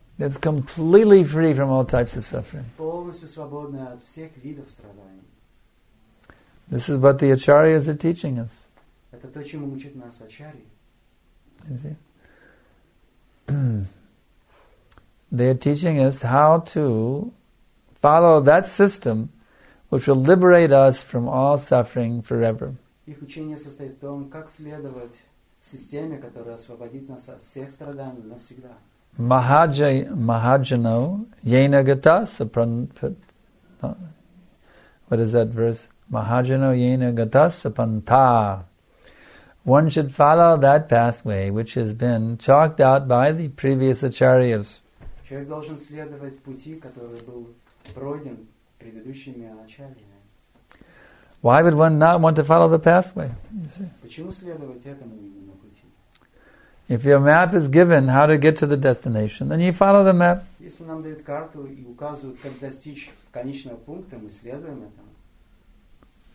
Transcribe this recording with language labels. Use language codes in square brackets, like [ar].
[en] That's completely free from all types of suffering. [ru] Полностью свободное от всех видов страданий. [en] This is what the acharyas are teaching us. [ru] Это то, чему учат нас ачарьи. [en] They are teaching us how to follow that system which will liberate us from all suffering forever. [ru] Их учение состоит в том, как следовать системе, которая освободит нас от всех страданий навсегда. [sa] Mahajano yena gata sapanta. [en] What is that verse? [sa] Mahajano yena gata sapanta. [en] One should follow that pathway which has been chalked out by the previous acharyas. [ru] Человек должен следовать пути, который был пройден предыдущими ачарьями. [en] Why would one not want to follow the pathway? [ru] Почему следовать этому именно пути? [en] If your map is given how to get to the destination, then you follow the map. [ru] Если нам дают карту и указывают, как достичь конечного пункта, мы следуем этому.